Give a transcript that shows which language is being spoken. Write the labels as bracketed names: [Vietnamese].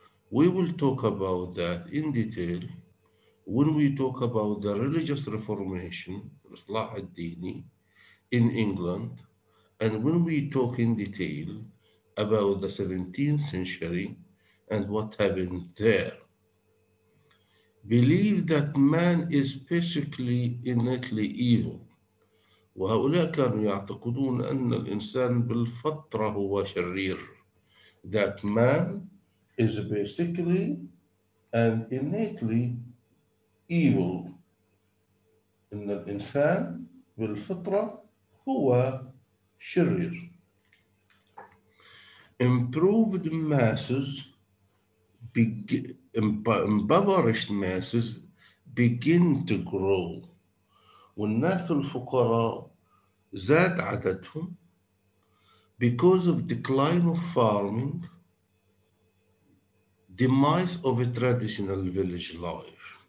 [English] We will talk about that in detail when we talk about the religious reformation, Islah al-Dini, in England, and when we talk in detail about the 17th century and what happened there. Believe that man is basically innately evil. [Arabic] وهؤلاء كانوا يعتقدون أن الإنسان بالفطرة هو شرير. [English] That man is basically and innately evil. [Arabic] إن الإنسان بالفطرة هو شرير. [English] Improved masses impoverished masses begin to grow. [Arabic] والناس الفقراء زاد عددهم [English] because of decline of farming, demise of a traditional village life.